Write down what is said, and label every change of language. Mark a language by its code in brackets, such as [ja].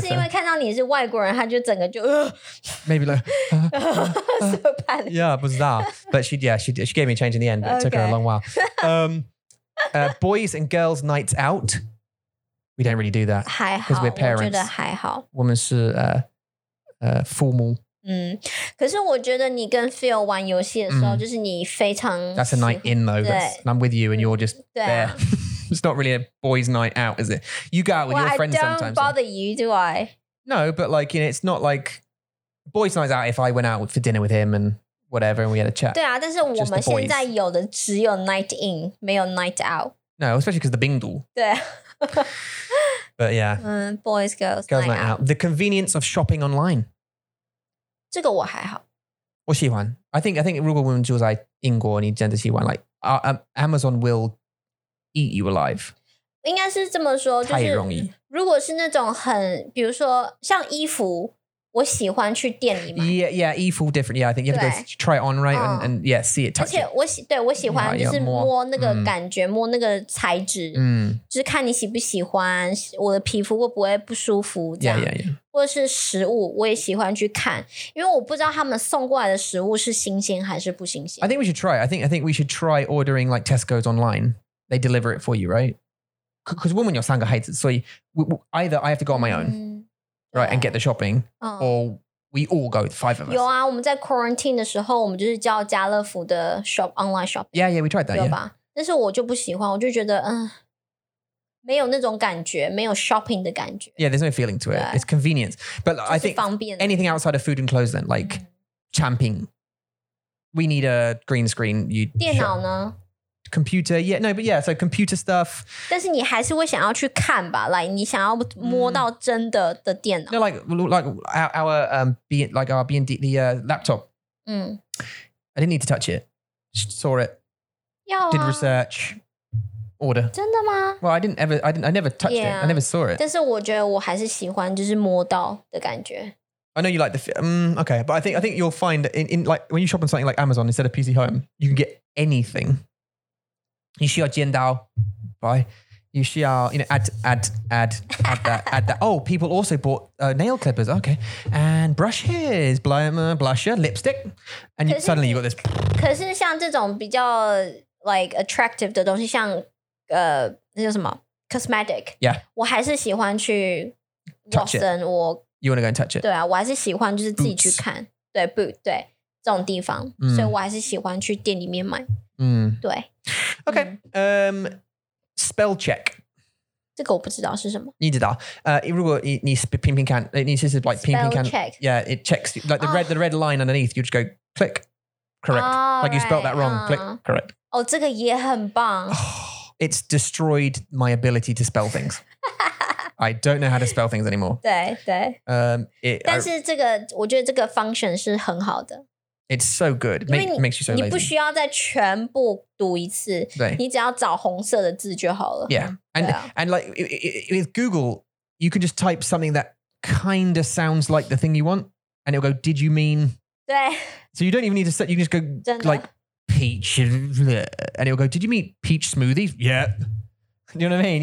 [zh] 她是因为看到你是外国人,她就整个就 [en] Maybe like, so panic. Yeah, bizarre. But she gave me a change in the end. But it took her a long while. Boys and girls nights out. We don't really do that. [zh] 还好， [en] because we're parents. [zh] 我觉得还好。我们是formal. 可是我觉得你跟 Phil 玩游戏的时候，就是你非常 [en] That's a night in though. And I'm with you, and you're just there. It's not really a boys' night out, is it? You go out with your friends sometimes. I don't bother you, do I? No, but like, you know, it's not like boys' nights out if I went out for dinner with him and whatever, and we had a chat. [zh] 对啊，但是我们现在有的只有 night in, 没有 night out. [en] No, especially because the bingdu. [zh] 对。 [en] But yeah, boys, girls, girls night out. The convenience of shopping online. [zh] 这个我还好。我喜欢。 [en] I think [zh] 如果我们住在英国，你真的喜欢 [en] like Amazon will eat you alive. [zh] 应该是这么说，就是太容易。如果是那种很，比如说像衣服，我喜欢去店里买。 [en] Yeah, yeah, 衣服 different. Yeah, I think you have to go try it on, right? And yeah, see it, touch it. [zh] 而且我喜欢就是摸那个感觉，摸那个材质。就是看你喜不喜欢，我的皮肤会不会不舒服这样， [en] yeah, yeah, yeah. [zh] 或者是食物，我也喜欢去看，因为我不知道他们送过来的食物是新鲜还是不新鲜。 [en] I think we should try. I think we should try ordering like Tesco's online. They deliver it for you, right? Because women [zh] 有三个孩子， [en] 所以 either I have to go on my own, right, and get the shopping, or we all go, five of us. [zh] 有啊，我们在 quarantine 的时候，我们就是叫家乐福的 [en] shop online shopping. Yeah, yeah, we tried that. [zh] 有吧？ [en] Yeah. [zh] 但是我就不喜欢，我就觉得没有那种感觉，没有 shopping 的感觉。 [en] Yeah, there's no feeling to it. It's convenience. But I think anything outside of food and clothes then, like camping, we need a green screen. [zh] 电脑呢? [en] Computer, yeah, no, but yeah, so computer stuff. [zh] 但是你还是会想要去看吧 like 你想要摸到真的的电脑。 [en] No, like our B&D, the laptop. I didn't need to touch it. Saw it. [zh] 要啊。 [en] Did research. Order. [zh] 真的吗? [en] Well, I never touched it. I never saw it. [zh] 但是我觉得我还是喜欢就是摸到的感觉。 [en] I know you like the feel. Okay, but I think you'll find in like, when you shop on something like Amazon instead of PC Home, you can get anything. [zh] 你需要剪刀, [en] bye. You shall, you know, add that. Oh, people also bought nail clippers. Okay. And brushes, blusher, lipstick. And you, suddenly you got this. [zh] 可是像这种比较 like attractive 的东西, 像, 那叫什么?Cosmetic. [en] Yeah. [zh] 我还是喜欢去 Watson, [en] touch it. [zh] 我, [en] you want to go and touch it? [zh] 对啊,我还是喜欢就是自己去看。对, boot, 对。这种地方, 所以我还是喜欢去店里面买。对。 [en] Okay. Spell check. [zh] 这个我不知道是什么。你知道, 如果你拼拼看, 你试试, like, [en] spell pin, check. Yeah, it checks, like, the red line underneath, you just go, click, correct. Oh, like, right, you spelled that wrong, click, correct. [zh] 哦,这个也很棒。 [en] It's destroyed my ability to spell things. I don't know how to spell things anymore. [zh] 对,对。但是这个,我觉得这个 function是很好的。 [en] It's so good. Makes you so lazy. [zh] 你不需要再全部读一次, 你只要找红色的字就好了。 [en] Yeah. And like with Google, you can just type something that kind of sounds like the thing you want and it'll go, did you mean? [zh] 对。 [en] So you don't even need to set, you can just go [zh] 真的? [en] Like peach and it'll go, did you mean peach smoothies? Yeah. You know what I mean?